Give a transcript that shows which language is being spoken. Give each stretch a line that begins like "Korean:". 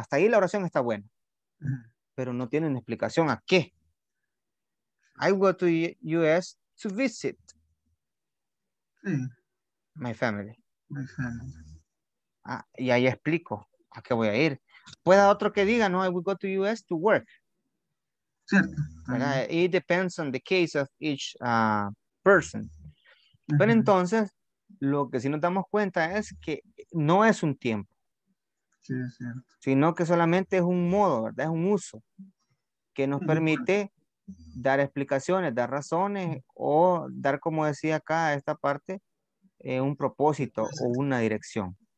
Spanish: Hasta ahí la oración está buena. Pero no tienen explicación a qué.
English: I will go to US to visit my family.
Spanish: Ah, y ahí explico a qué voy a ir. Puede otro que diga, no,
English: I will go to US to work.
Spanish: Cierto.
English: It depends on the case of each person.
Spanish: Pero entonces, lo que sí nos damos cuenta es que no es un tiempo. Sí, es cierto. Sino que solamente es un modo, ¿verdad? Es un uso que nos permite dar explicaciones, dar razones o dar, como decía acá, esta parte, un propósito o una dirección.